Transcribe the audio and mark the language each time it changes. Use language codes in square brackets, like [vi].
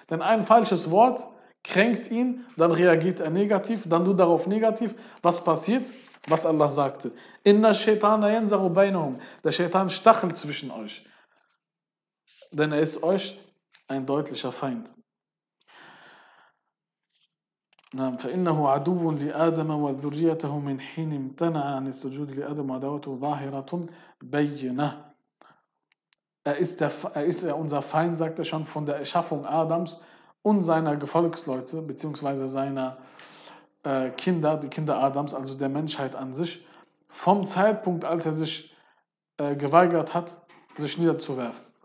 [de] Denn ein falsches Wort kränkt ihn, dann reagiert er negativ, dann du darauf negativ. Was passiert? Was Allah sagte. [ar] Inna shaitana yanzaru bainahum. [de] Der Shaitan stachelt zwischen euch. Denn er ist euch ein deutlicher Feind. [ar] نعم فإنه عدو لآدم وذريته من حين امتنع عن السجود لآدم عداوته ظاهرة بينة. [de] Er ist unser Feind, sagt er schon, von der Erschaffung Adams und seiner Gefolgsleute, beziehungsweise seiner Kinder, die Kinder Adams, also der Menschheit an sich, vom Zeitpunkt, als er sich geweigert hat, sich niederzuwerfen.